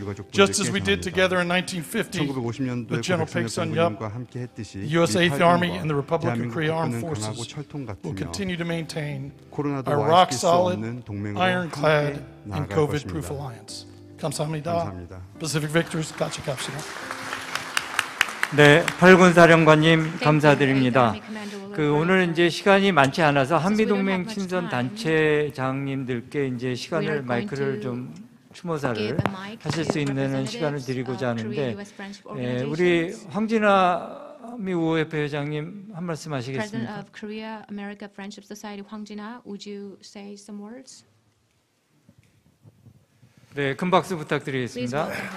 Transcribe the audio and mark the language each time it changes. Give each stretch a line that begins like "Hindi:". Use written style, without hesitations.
English: Just as we did together in 1950 with General Paek Sun Yup, the U.S. 8th Army and the Republic of Korea Armed Forces will continue to maintain our rock-solid, ironclad, and COVID-proof alliance.
Korean: 감사합니다. Pacific Victors, 같이 갑시다. 네, 8군 사령관님 감사드립니다. 그 오늘 이제 시간이 많지 않아서 한미동맹 친선 단체장님들께 이제 시간을 마이크를 좀 추모사를 하실 수 있는 시간을 드리고자 하는데 예, 우리 황진아 미우회 회장님 한 말씀 하시겠습니까?
English: President of Korea America Friendship Society, 황진아, would you say some words?
Korean: 네, 큰 박수 부탁드리겠습니다.